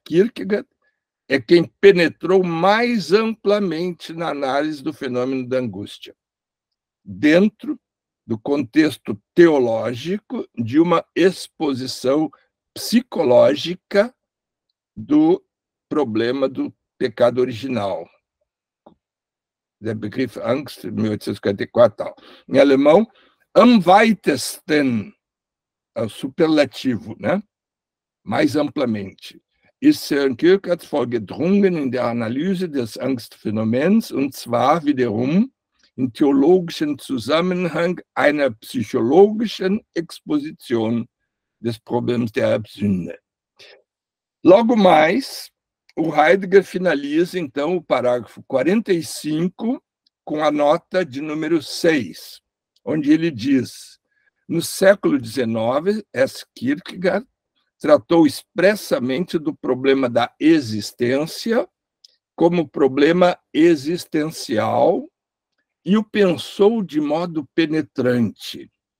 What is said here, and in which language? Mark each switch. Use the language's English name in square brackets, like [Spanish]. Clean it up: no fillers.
[Portuguese] Kierkegaard é quem penetrou mais amplamente na análise do fenômeno da angústia, dentro do contexto teológico de uma exposição psicológica do problema do pecado original. Der Begriff Angst, 1844. Em alemão, am weitesten, é o superlativo, né? Mais amplamente. [German] Ist Herrn Kierkegaard vorgedrungen in der Analyse des Angstphänomens, und zwar wiederum, in theologischen Zusammenhang einer psychologischen Exposition des Problems der Sünde. [Portuguese] Logo mais, o Heidegger finaliza, então, o parágrafo 45 com a nota de número 6, onde ele diz: no século XIX, S. Kierkegaard tratou expressamente do problema da existência como problema existencial e o pensou de modo penetrante.